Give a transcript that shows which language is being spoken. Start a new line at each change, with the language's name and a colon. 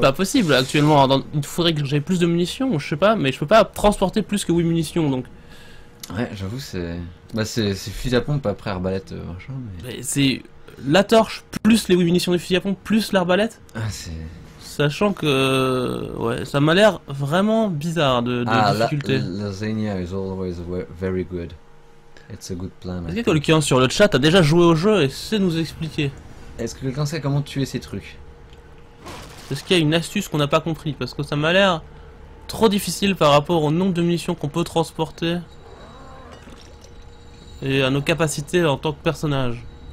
French: Pas possible, actuellement. Il faudrait que j'aie plus de munitions, je sais pas, mais je peux pas transporter plus que 8 munitions, donc... Ouais, j'avoue, c'est... Bah, c'est fusil à pompe, après arbalète, machin, mais... c'est la torche, plus les 8 munitions du fusil à pompe, plus l'arbalète. Ah, c'est... Sachant que... Ouais, ça m'a l'air vraiment bizarre de difficulté.
English: Ah, lasagna is always very good. It's a good plan.
French: Est-ce que quelqu'un sur le chat a déjà joué au jeu et sait nous expliquer? Est-ce que quelqu'un sait comment tuer ces trucs? Est-ce qu'il y a une astuce qu'on n'a pas compris? Parce que ça m'a l'air trop difficile par rapport au nombre de munitions qu'on peut transporter et à nos capacités en tant que personnage.